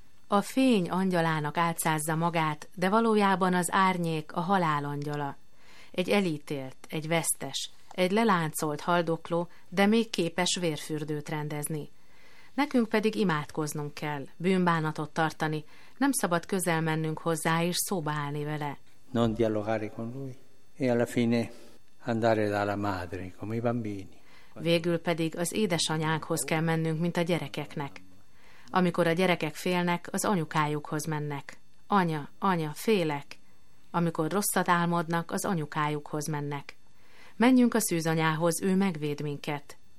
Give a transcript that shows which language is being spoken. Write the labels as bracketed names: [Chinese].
[Hungarian] A fény angyalának álcázza magát, de valójában az árnyék a halál angyala. Egy elítélt, egy vesztes, egy leláncolt haldokló, de még képes vérfürdőt rendezni. Nekünk pedig imádkoznunk kell, bűnbánatot tartani, nem szabad közel mennünk hozzá és szóba állni vele. [Italian] Non dialogare con lui e alla fine andare dalla madre come i bambini. [Hungarian] Végül pedig az édesanyánkhoz kell mennünk, mint a gyerekeknek. Amikor a gyerekek félnek, az anyukájukhoz mennek. Anya, anya, félek. Amikor rosszat álmodnak, az anyukájukhoz mennek. Menjünk a szűzanyához, ő megvéd minket.